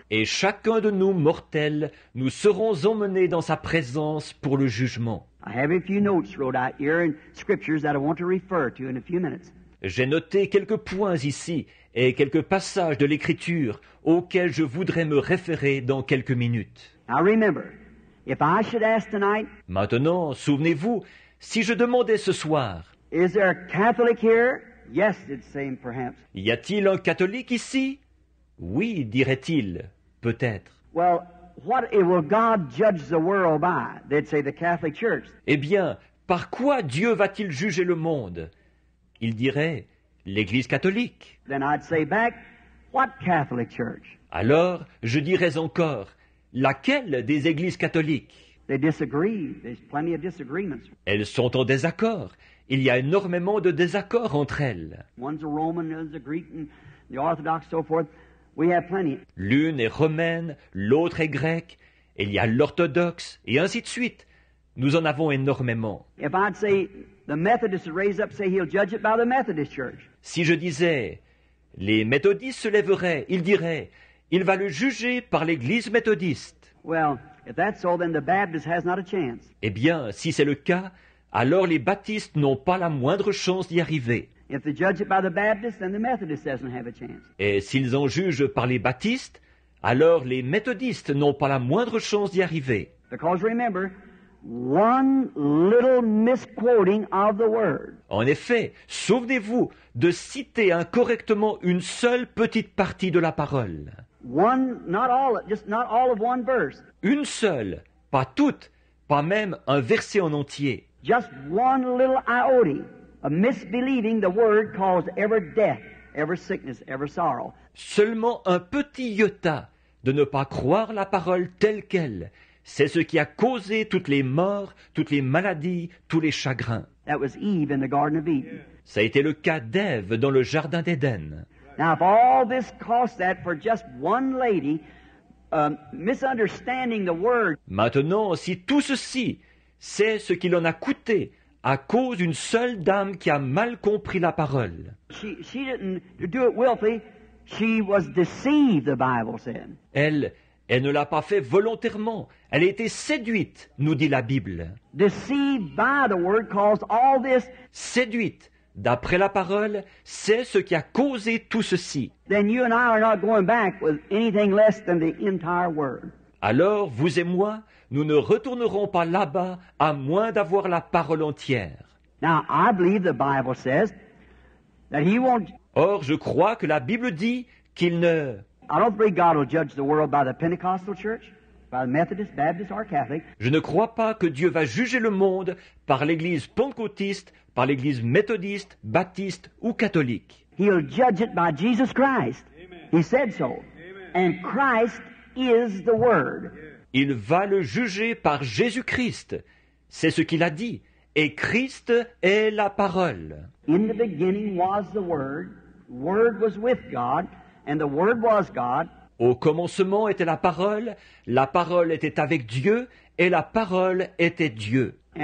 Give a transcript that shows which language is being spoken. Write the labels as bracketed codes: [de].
[fr] Et chacun de nous mortels, nous serons emmenés dans Sa présence pour le jugement. [en] I have a few notes wrote out here in scriptures that I want to refer to in a few minutes. [fr] J'ai noté quelques points ici et quelques passages de l'Écriture auxquels je voudrais me référer dans quelques minutes. [en] Now remember, if I should ask tonight, [fr] maintenant, souvenez-vous, si je demandais ce soir, [en] is there a Catholic here? Yes, it seems perhaps. [fr] Y a-t-il un catholique ici? Oui, dirait-il, peut-être. [en] Well, what will God judge the world by? They'd say the Catholic Church. [fr] Eh bien, par quoi Dieu va-t-il juger le monde? Il dirait l'Église catholique. [en] Then I'd say back, what Catholic Church? [fr] Alors, je dirais encore, laquelle des Églises catholiques? [en] They disagree. There's plenty of disagreements. [fr] Elles sont en désaccord. Il y a énormément de désaccords entre elles. [en] One's a Roman, one's a Greek, and the Orthodox, so forth. We have plenty. [fr] L'une est romaine, l'autre est grecque. Il y a l'orthodoxe, et ainsi de suite. Nous en avons énormément. [en] If I'd say the Methodists raise up, say he'll judge it by the Methodist Church. [fr] Si je disais, les méthodistes se lèveraient, ils diraient, il va le juger par l'Église méthodiste. [en] Well, if that's so, then the Baptist has not a chance. [fr] Eh bien, si c'est le cas, alors les baptistes n'ont pas la moindre chance d'y arriver. [en] If they judge it by the Baptist, then the Methodist doesn't have a chance. [fr] Et s'ils en jugent par les baptistes, alors les méthodistes n'ont pas la moindre chance d'y arriver. [en] Because remember, one little misquoting of the word. [fr] En effet, souvenez-vous de citer incorrectement une seule petite partie de la parole. [en] One, not all, just not all of one verse. [fr] Une seule, pas toute, pas même un verset en entier. [en] Just one little iota of misbelieving the word caused ever death, ever sickness, ever sorrow. [fr] Seulement un petit iota de ne pas croire la parole telle qu'elle. C'est ce qui a causé toutes les morts, toutes les maladies, tous les chagrins. [en] That was Eve in the Garden of Eden. [fr] Ça a été le cas d'Ève dans le Jardin d'Éden. [en] Now, if all this cost that for just one lady misunderstanding the word. [fr] Maintenant, si tout ceci, c'est ce qu'il en a coûté à cause d'une seule dame qui a mal compris la parole. [en] She didn't do it willfully. She was deceived, the Bible said. [fr] Elle ne l'a pas fait volontairement. Elle a été séduite, nous dit la Bible. [en] Deceived by the word caused all this. [fr] Séduite, d'après la parole, c'est ce qui a causé tout ceci. [en] Then you and I are not going back with anything less than the entire word. [fr] Alors, vous et moi, nous ne retournerons pas là-bas à moins d'avoir la parole entière. [en] Now, I believe the Bible says that he won't... [fr] Or, je crois que la Bible dit qu'il ne... [en] I don't believe God will judge the world by the Pentecostal church. Methodist, Baptist, or Catholic. [fr] Je ne crois pas que Dieu va juger le monde par l'église pentecôtiste, par l'église méthodiste, baptiste ou catholique. [en] He'll judge it by Jesus Christ. Amen. He said so. Amen. And Christ is the Word. [fr] Il va le juger par Jésus-Christ. C'est ce qu'il a dit. Et Christ est la parole. [en] In the beginning was the Word. Word was with God. And the Word was God. [fr] Au commencement était la parole était avec Dieu, et la parole était Dieu.